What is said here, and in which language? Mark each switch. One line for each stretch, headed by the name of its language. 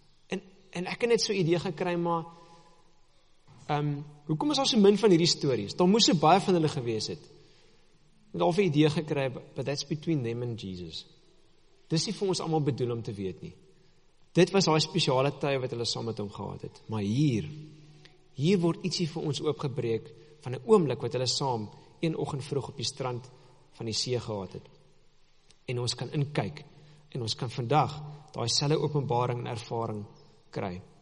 Afrikaans: En ek het net so 'n idee gekry, maar hoekom is daar so min van hierdie stories? Daar moes so baie van hulle gewees het. Het al 'n idee gekry,
English: but that's between them and Jesus.
Afrikaans: Dis nie vir ons allemaal bedoel om te weet nie. Dit was daai spesiale tyd wat hulle saam met hom gehad het. Maar hier word ietsie vir ons oopgebreek van 'n oomblik wat hulle saam een oggend vroeg op die strand van die see gehad het. En ons kan inkyk, en ons kan vandag daai selfe openbaring en ervaring kry.